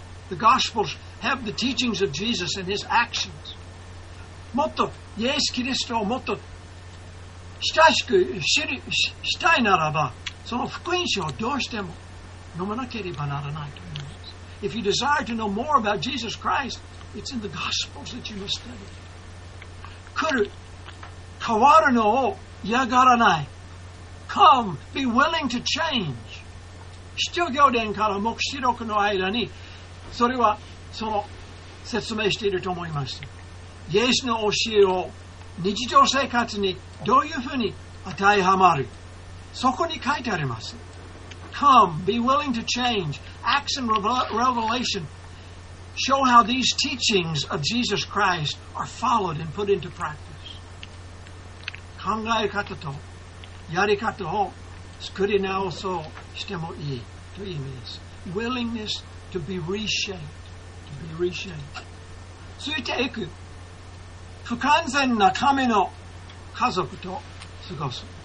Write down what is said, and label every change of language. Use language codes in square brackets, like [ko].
[en] The Gospels have the teachings of Jesus and his actions. [ja] もっとイエス・キリストをもっと親しく知り、したいならば、その福音書をどうしても読まなければならないと思います。 [en] If you desire to know more about Jesus Christ, it's in the Gospels that you must study. [ja] 来る、変わるのを嫌がらない。 [en] Come, be willing to change. [ja] 使徒行伝から黙示録の間に、それはその説明していると思います。イエスの教えを日常生活にどういうふうに当てはまる。そこに書いてあります。 [en] Come, be willing to change. Acts and Revelation show how these teachings of Jesus Christ are followed and put into practice. [ja] 考え方とやり方を作り直そうしてもいいという意味です。 [en] Willingness to be reshaped. To be reshaped. [ja] ついていく。不完全な神の家族と過ごす。